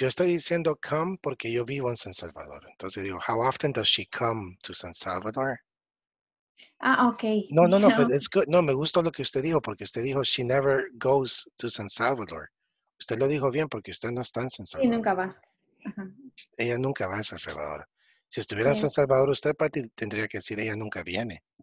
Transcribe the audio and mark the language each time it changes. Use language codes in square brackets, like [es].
[es] Yo estoy diciendo come porque yo vivo en San Salvador. Entonces digo, [en] how often does she come to San Salvador? Okay. No, but it's good. [es] No, me gustó lo que usted dijo porque usted dijo [en] she never goes to San Salvador. [es] Usted lo dijo bien porque usted no está en San Salvador. Y nunca va. Uh-huh. Ella nunca va a San Salvador. Si estuviera en San Salvador, usted, Patty, tendría que decir ella nunca viene.